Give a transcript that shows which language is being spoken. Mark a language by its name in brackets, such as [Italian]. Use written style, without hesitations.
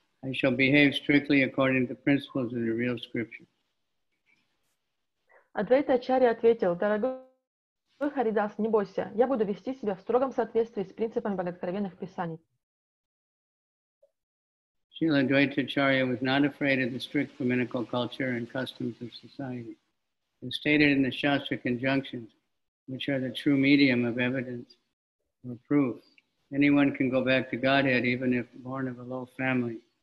[English] I shall behave strictly according to the principles of the real scripture. [Russian] Advaita-charya ответил, дорогой Харидас, не бойся, я буду вести себя в строгом соответствии с принципами богооткровенных писаний. [English] Śrīla Advaita-charya was not afraid of the strict brahminical culture and customs of society. As stated in the Shastra conjunctions, which are the true medium of evidence, proof. Anyone can go back to Godhead even if born of a low family.